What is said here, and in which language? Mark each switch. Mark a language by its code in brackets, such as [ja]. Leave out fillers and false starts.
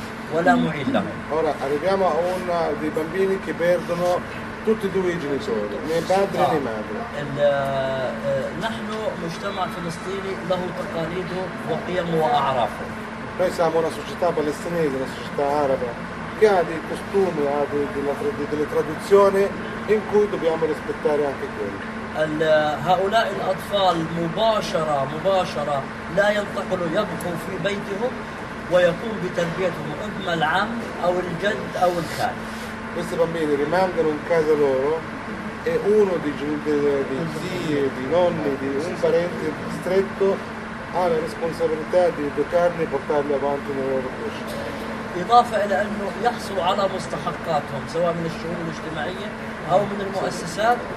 [it] Ora arriviamo a uno dei bambini che perdono tutti e due i genitori, né padre né madre. Noi siamo una società palestinese, una società araba, che ha dei costumi, ha delle tradizioni in cui dobbiamo rispettare anche quelli. [ar] هؤلاء الأطفال مباشرة لا ينتقلوا يبقوا في بيتهم ويقوم بتربيتهم إما العم أو الجد أو الخال. [it] Questi bambini rimangono in casa loro e uno di zii, di nonni, di un parente stretto ha la responsabilità di educarli e portarli avanti nella loro crescita. [ar] إضافة إلى أنه يحصلوا على مستحقاتهم سواء من الشؤون الاجتماعية أو من المؤسسات.